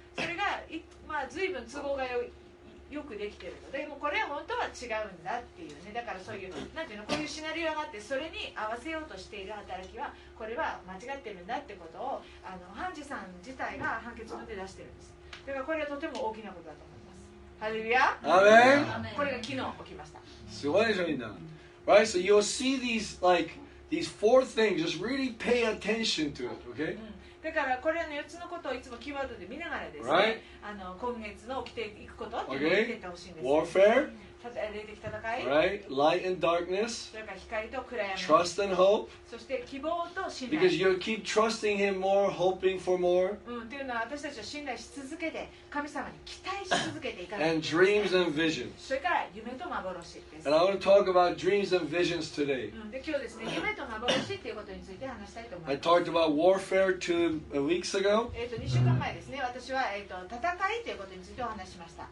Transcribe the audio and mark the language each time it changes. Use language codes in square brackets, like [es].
[ja] それが随分都合がよくできてるので、もこれは本当は違うんだっていうね。だからそういうなんていうの、こういうシナリオがあって、それに合わせようとしている働きは、これは間違ってるんだってことを判事さん自体が判決文で出してるんです。だからこれはとても大きなことだと思います。ハレルヤ。アメン。これが昨日起きました。すごいでしょみんな。 [en] Right, so you'll see these like these four things. Just really pay attention to it, okay? [ja] だからこれの4つのことをいつもキーワードで見ながらですね、 [en] right. [ja] 今月の起きていくことって言ってほしいんです。 [en] Warfare、 [ja] 霊的戦い、 [en] right. Light and darkness、 [ja] それから光と暗闇、 [en] Trust and hope、 [ja] そして希望と信頼、 [en] Because you keep trusting him more, hoping for more、 [ja] というのは私たちは信頼し続けて、神様に期待し続けていかない、 [en] ね、And dreams and visions、 [ja] それから夢と幻です。 [en] And I want to talk about dreams and visions today、 [ja] で今日ですね、夢と幻っていうことについて話したいと思います。 [en] I talked about warfare to weeks ago、 [ja] 2週間前ですね、私は、戦いということについてお話しました。